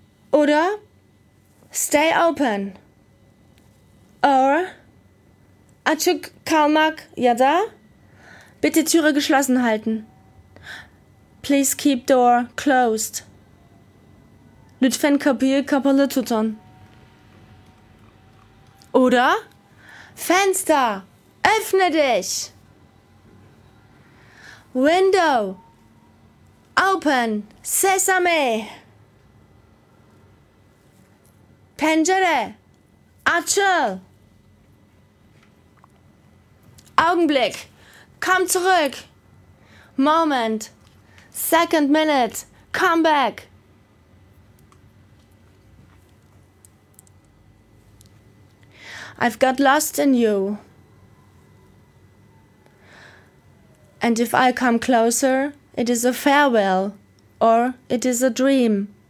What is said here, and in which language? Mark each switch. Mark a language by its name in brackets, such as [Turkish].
[German] Oder [English] stay open. Or, [Turkish] açık kalmak ya da, [German] bitte Türe geschlossen halten. [English] Please keep door closed. [Turkish] Lütfen kapıyı kapalı tutun. [German] Oder, Fenster, öffne dich. [English] Window, open, sesame. [Turkish] Pencere, açıl. [German] Augenblick, komm zurück. [English] Moment, second minute, come back. I've got lost in you. And if I come closer, it is a farewell, or it is a dream.